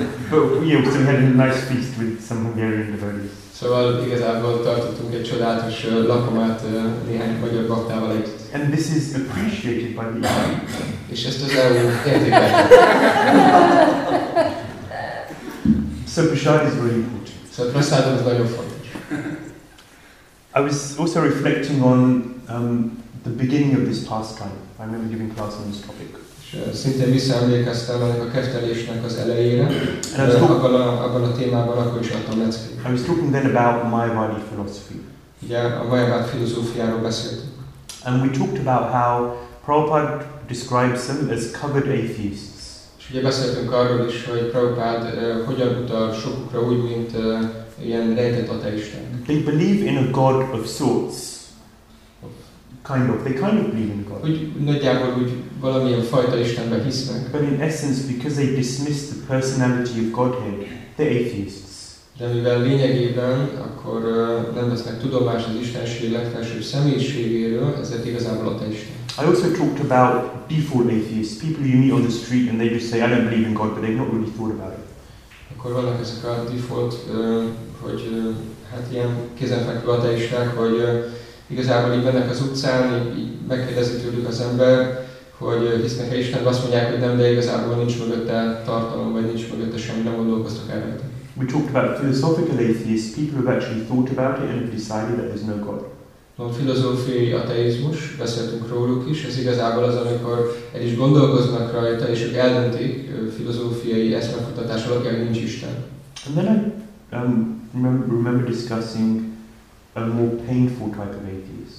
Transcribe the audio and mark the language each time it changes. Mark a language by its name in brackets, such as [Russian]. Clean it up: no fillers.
[English] But we had a nice feast with some Hungarian devotees. [Hungarian] So igazából tartottunk egy csodálatos lakomát néhány magyar baktával együtt. [English] And this is appreciated by the EU. [Hungarian] És ezt az EU értékelte. [English] So prasad is very important. So prasad is [Hungarian] nagyon fontos. [English] I was also reflecting on the beginning of this pastime. I remember giving class on this topic. [Hungarian] Szinte visszaemlékeztem ennek a kertelésnek az elejére. Abban a témában akkor is adtam leckét. [English] I was talking then about Mayavadi philosophy. [Hungarian] Yeah, a Mayavadi filozófiáról beszéltem. [English] And we talked about how Prabhupada describes them as covered atheists. [Hungarian] És ugye beszéltünk arról is, hogy Prabhupada hogyan utal sokukra úgy, mint ilyen rejtett ateisták. [English] They believe in a god of sorts, kind of. They kind of believe in God. [Hungarian] Úgy nagyjából úgy valamilyen fajta Istenbe hisznek. [English] But in essence, because they dismiss the personality of Godhead, they're atheists. [Hungarian] De mivel lényegében akkor nem vesznek tudomást az Istenség legfelsőbb személyiségéről, ezért igazából ateisták. [English] I also talked about default atheists, people you meet on the street and they just say, I don't believe in God, but they've not really thought about it. [Hungarian] Akkor vannak ezek a default, hogy hát ilyen kézenfekvő ateisták, hogy igazából így mennek az utcán, így megkérdezi tőlük az ember, hogy hisznek-e Istenbe, azt mondják, hogy nem, de igazából nincs mögötte tartalom, vagy nincs mögötte semmi, nem gondolkoztak el rajta. [English] We talked about philosophical atheists, people have actually thought about it and have decided that there's no God. [Hungarian] A filozófiai ateizmus, beszéltünk róluk is, ez igazából az, amikor el is gondolkoznak rajta, és ők eldöntik filozófiai eszmefutatás alapján, hogy nincs Isten. [English] Remember discussing a more painful type of atheist.